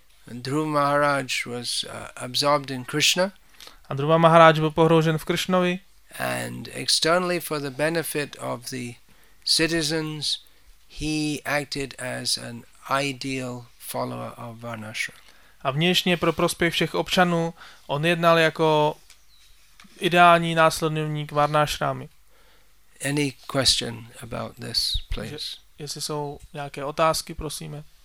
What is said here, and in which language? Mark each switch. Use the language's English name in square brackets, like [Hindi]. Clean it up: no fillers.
[English] And Dhruva Maharaj was absorbed in Krishna. [Czech] A Dhruva Maharaj byl pohroužen v Krishnovi. [English] And externally for the benefit of the citizens, he acted as an ideal follower of Varnashram. [Czech] A vnitřně pro prospěch všech občanů on jednal jako ideální následovník Varnashramy. [English] Any question about this, please? [Czech] Jestli jsou nějaké otázky, prosíme.